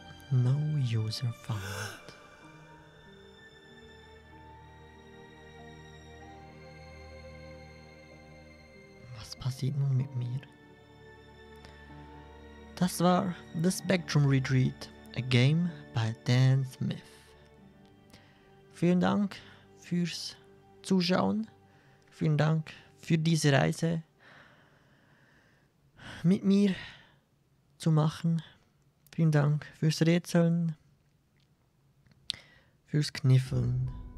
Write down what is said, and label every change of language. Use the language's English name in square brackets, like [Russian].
[English] No user found. [German] Was passiert nun mit mir? Das war The Spectrum Retreat, [English] a game by Dan Smith. [German] Vielen Dank fürs Zuschauen. Vielen Dank für diese Reise mit mir zu machen. Vielen Dank fürs Rätseln, fürs Kniffeln.